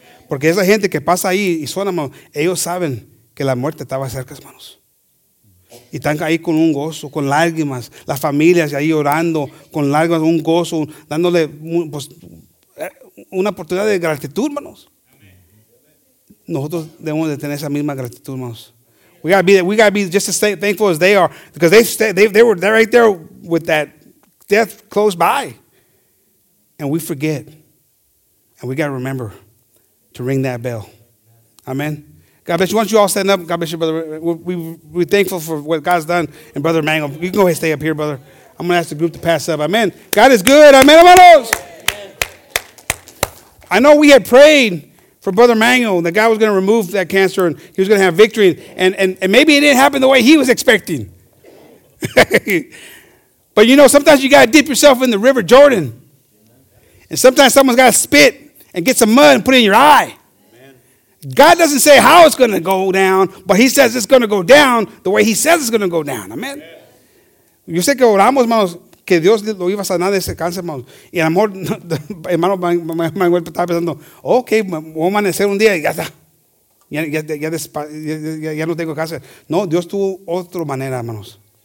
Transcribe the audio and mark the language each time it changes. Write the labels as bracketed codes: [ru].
[es] Porque esa gente que pasa ahí y suena, hermanos, ellos saben que la muerte estaba cerca, hermanos. Y están ahí con un gozo, con lágrimas, las familias ahí orando, con lágrimas, un gozo, dándole pues, una oportunidad de gratitud, hermanos. Nosotros debemos de tener esa misma gratitud, hermanos. [en] We gotta be just as thankful as they are, because they were right there with that death close by, and we forget, and we gotta remember to ring that bell. Amen. God bless you. Why don't you all stand up? God bless you, brother. We're thankful for what God's done, and brother Mangum, you can go ahead and stay up here, brother. I'm gonna ask the group to pass up. Amen. God is good. Amen, hermanos. I know we had prayed for Brother Manuel, the guy was going to remove that cancer and he was going to have victory. And maybe it didn't happen the way he was expecting. But you know, sometimes you got to dip yourself in the River Jordan. And sometimes someone's got to spit and get some mud and put it in your eye. God doesn't say how it's going to go down, but he says it's going to go down the way he says it's going to go down. Amen. [es] Yo sé que oramos, hermanos, que Dios lo iba a sanar de ese cáncer, hermanos. Y a lo mejor, hermano Manuel estaba pensando, ok, voy a amanecer un día y ya está. Ya no tengo cáncer. No, Dios tuvo otra manera, hermanos.